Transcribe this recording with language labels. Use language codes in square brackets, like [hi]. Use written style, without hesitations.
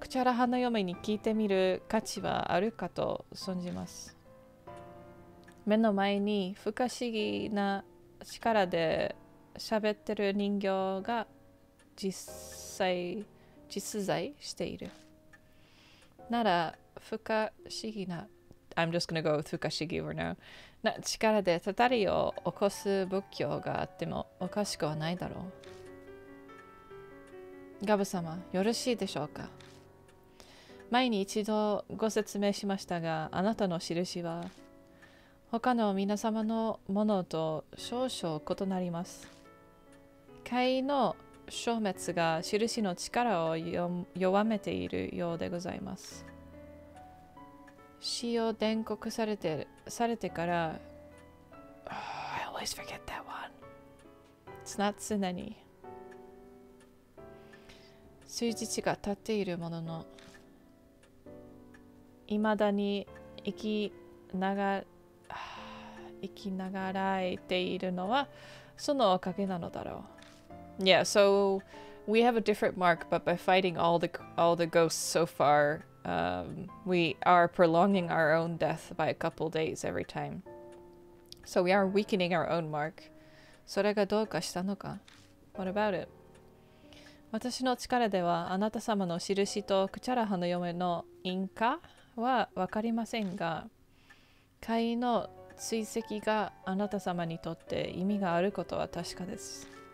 [ja] くちゃら花嫁に聞いてみる価値はあるかと存じます。目の前に不可思議な力で喋ってる人形が実在している。なら不可思議な。 [en] I'm just gonna go with 不可思議 for now. [ja] な力でたたりを起こす仏教があってもおかしくはないだろう。ガブ様、よろしいでしょうか。前に一度ご説明しましたが、あなたの印は他の皆様のものと少々異なります。怪の消滅が印の力を弱めているようでございます。死を伝告されてから、 [en] oh, I always forget that one. It's not [ja] 常に数日が経っているものの、いまだに生きながらえているのはそのおかげなのだろう。 [en] Yeah, so we have a different mark, but by fighting all the ghosts so far, we are prolonging our own death by a couple days every time. So we are weakening our own mark. [ja] それがどうかしたのか? [en] What about it? [ja] 私の力ではあなた様の印とクチャラハの嫁の因果はわかりませんが、怪の追跡があなた様にとって意味があることは確かです。